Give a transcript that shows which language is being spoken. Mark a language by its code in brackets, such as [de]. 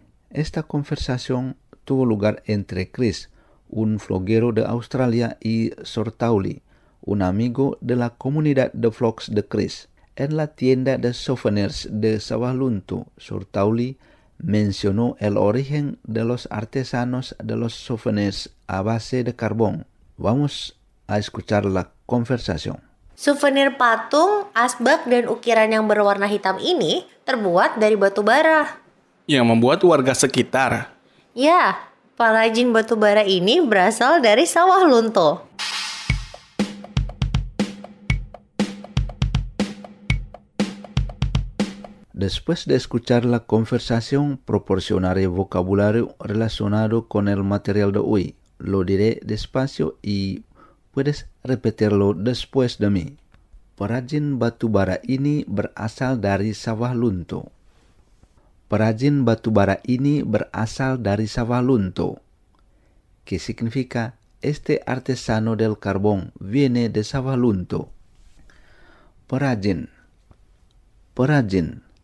[es] Esta conversación tuvo lugar entre Chris, un vloguero de Australia, y Sortauli, un amigo de la comunidad de vlogs de Chris. En la tienda de souvenirs de Sawah Lunto, Sortauli mencionó el origen de los artesanos de los souvenirs a base de carbón. Vamos a escuchar la conversación. [id] Souvenir patung, asbak, dan ukiran yang berwarna hitam ini terbuat dari batu bara. Yang membuat warga sekitar. Ya, perajin batu bara ini berasal dari Sawah Lunto. [es] Después de escuchar la conversación, proporcionaré vocabulario relacionado con el material de hoy. Lo diré despacio y puedes repetirlo después de mí. [id] Perajin batu bara ini berasal dari Sawah Lunto. Perajin batu bara ini berasal dari Sawah Lunto. [es] Que significa este artesano del carbón viene de Sawah Lunto. Perajin. Perajin.